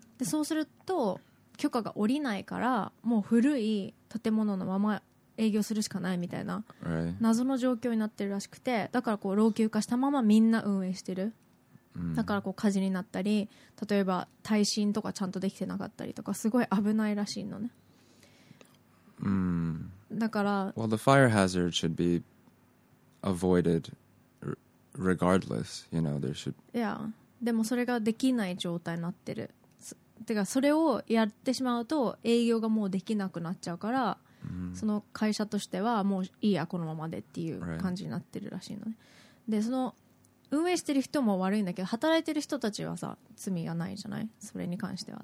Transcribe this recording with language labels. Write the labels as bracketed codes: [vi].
[ja] でそうすると許可が下りないからもう古い建物のまま営業するしかないみたいな謎の状況になってるらしくて、だからこう老朽化したままみんな運営してる、だからこう火事になったり、例えば耐震とかちゃんとできてなかったりとか、すごい危ないらしいのね。だから [en] Well, the fire hazard should be avoided regardless, you know, there should [ja] Yeah, でもそれができない状態になってる、てかそれをやってしまうと営業がもうできなくなっちゃうから、その会社としてはもういいやこのままでっていう感じになってるらしいのね。でその運営してる人も悪いんだけど、働いてる人たちはさ罪がないじゃない、それに関しては。